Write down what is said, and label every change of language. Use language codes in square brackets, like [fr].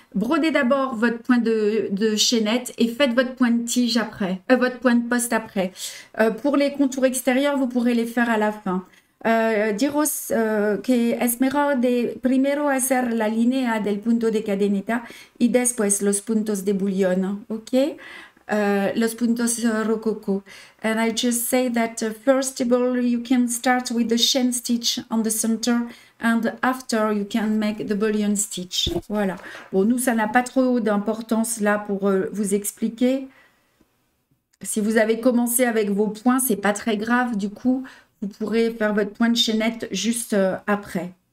[fr] Brodez d'abord votre point de chaînette et faites votre point de tige après. Votre point de poste après. Pour les contours extérieurs, vous pourrez les faire à la fin. [es] Diros que es mejor de primero hacer la línea del punto de cadeneta y después los puntos de bullion, ok? Los puntos rococo. [en] And I just say that first of all, you can start with the chain stitch on the center and after you can make the bullion stitch. [fr] Voilà. Bon, nous, ça n'a pas trop d'importance là pour vous expliquer. Si vous avez commencé avec vos points, c'est pas très grave du coup. Vous pourrez faire votre point de chaînette juste après.